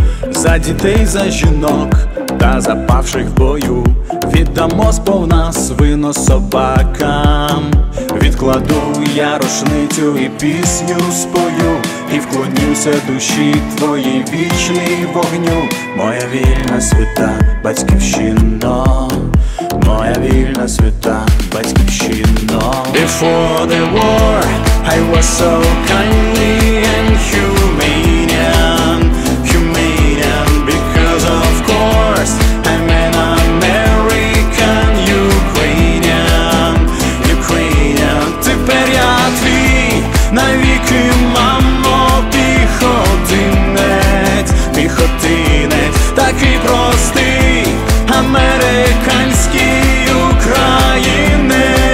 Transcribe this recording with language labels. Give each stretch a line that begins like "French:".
Ukrainian: За дітей, за жінок та за павших в бою віддамо сповна свино собакам. Відкладу я рушницю і пісню спою, і вклонюся душі твоїй вічний вогню. Моя вільна свята батьківщино, моя вільна свята батьківщино.
English: Before the war I was so kindly and humanian, humanian, because of course I'm an American, Ukrainian, Ukrainian.
Ukrainian: Тепер я твій навіки, мамо, піхотинець, піхотинець, такий простий американський українець.